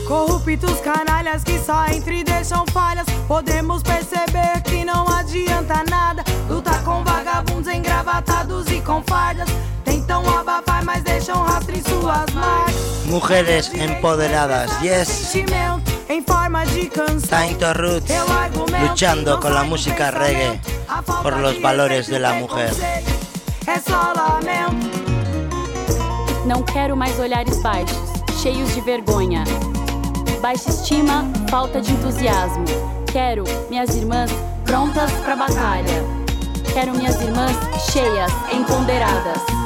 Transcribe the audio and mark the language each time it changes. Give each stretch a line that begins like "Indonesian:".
Portuguese: Corruptos canalhas que só entre deixam falhas. Podemos perceber que não adianta nada lutar com vagabundos engravatados e com fardas. Tentam abafar, mas deixam rastro em suas marcas.
Spanish: Mujeres empoderadas,
English: yes.
Portuguese: Em forma de canção.
English: Time to roots,
Spanish: luchando
Portuguese: com a
Spanish: música reggae por los valores de la mujer.
Portuguese: É só lamento. Não quero mais olhares baixos, cheios de vergonha, baixa estima, falta de entusiasmo. Quero minhas irmãs prontas pra batalha. Quero minhas irmãs cheias, empoderadas.